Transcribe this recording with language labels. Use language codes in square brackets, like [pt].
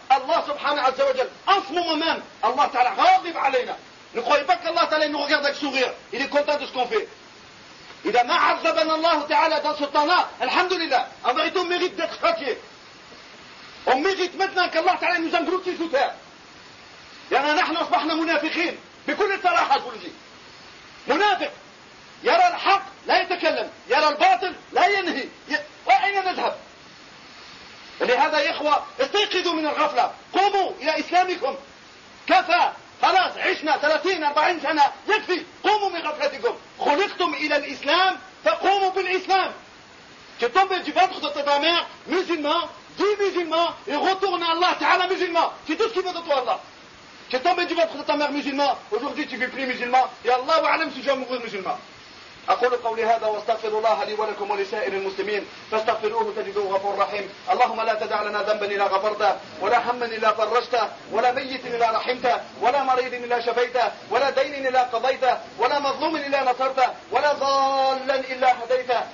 [fr] Allah subhanahu wa ta'ala, en ce moment même, Allah ta'ala [ar] غاضب علينا. [fr] Ne croyez pas qu'Allah ta'ala nous regarde avec sourire. Il est content de ce qu'on fait. [ar] إذا ما عذبنا الله تعالى [fr] dans ce temps-là, alhamdulillah, en vérité on mérite d'être châtié. On mérite maintenant qu'Allah ta'ala nous engloutisse sous terre. [ar] يعني نحن أصبحنا منافقين بكل صراحة أقول لك. منافق يرى الحق لا يتكلم, يرى الباطل لا ينهي. وأين نذهب؟ لهذا يا إخوة استيقظوا من الغفلة, قوموا إلى إسلامكم. كفى خلاص, عشنا 30-40 سنة يكفي, قوموا من غفلتكم. خلقتم إلى الإسلام فقوموا بالإسلام. [fr] Tu tombes du ventre de ta mère musulman, dis musulman et retourne à Allah Ta'ala musulman. C'est tout ce qu'il veut de toi Allah. Tu es tombé du ventre de ta mère musulman, aujourd'hui tu ne vis plus musulman, et Allah wa'alam si je suis amoureux musulman. [ar] أقول قولي هذا واستغفر الله لي ولكم ولسائر المسلمين فاستغفروه تجدوه غفور رحيم. اللهم لا تدع لنا ذنبا إلا غفرته ولا حمّا إلا فرجته ولا ميت إلا رحمته ولا مريض إلا شفيته ولا دين إلا قضيته ولا مظلوم إلا نصرته ولا ضالا إلا هديته.